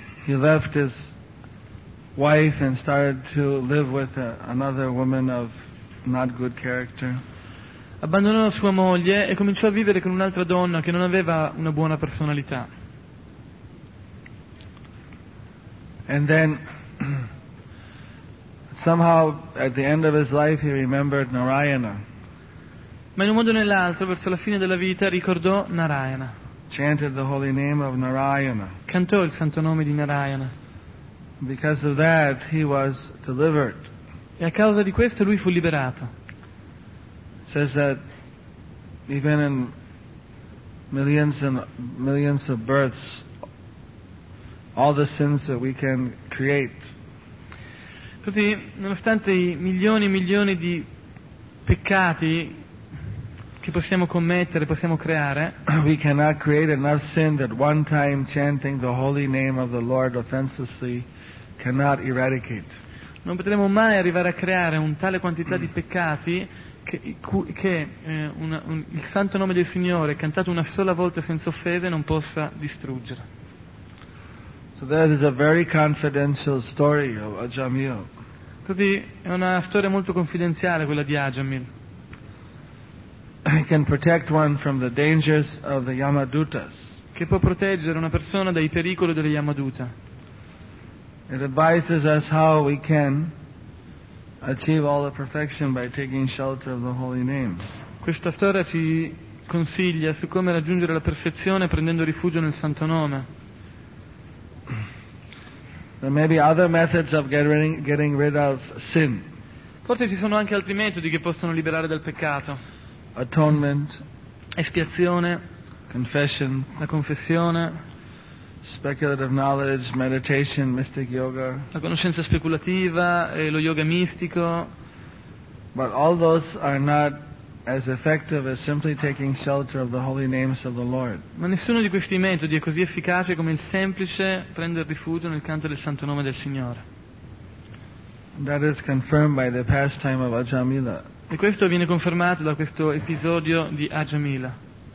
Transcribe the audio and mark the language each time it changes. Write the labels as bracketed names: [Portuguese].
[English] He left his wife and started to live with another woman of not good character. [Italian] Abbandonò sua moglie e cominciò a vivere con un'altra donna che non aveva una buona personalità. [English] And then somehow at the end of his life he remembered Narayana. [Italian] Ma in un modo o nell'altro, verso la fine della vita, ricordò Narayana. [English] Chanted the holy name of Narayana. [Italian] Cantò il santo nome di Narayana. [English] Because of that he was delivered. [Italian] E a causa di questo lui fu liberato. [English] Says that even in millions and millions of births, all the sins that we can create. [Italian] Così, nonostante i milioni e milioni di peccati che possiamo commettere, possiamo creare, [English] we cannot create enough sin that one time chanting the holy name of the Lord offensively cannot eradicate. [Italian] Non potremo mai arrivare a creare un tale quantità di peccati che il santo nome del Signore cantato una sola volta senza offese non possa distruggere. [English] So that is a very confidential story of Ajamil. [Italian] Così è una storia molto confidenziale quella di Ajamil. [English] He can protect one from the dangers of the Yamadutas. [Italian] Che può proteggere una persona dai pericoli delle Yamaduta. [English] It advises us how we can achieve all the perfection by taking shelter of the holy name. [Italian] Questa storia ci consiglia su come raggiungere la perfezione prendendo rifugio nel santo nome. [English] There may be other methods of getting rid of sin. [Italian] Forse ci sono anche altri metodi che possono liberare dal peccato. [English] Atonement. [Italian] Espiazione. [English] Confession. [Italian] La confessione. [English] Speculative knowledge, meditation, mystic yoga. [Italian] La conoscenza speculativa e lo yoga mistico. [English] But all those are not as effective as simply taking shelter of the holy names of the Lord. [Italian] Ma nessuno di questi metodi è così efficace come il semplice prendere rifugio nel canto del santo nome del Signore. [English] That is confirmed by the pastime of Ajamila. [Italian] E questo viene confermato da questo episodio di Ajamila.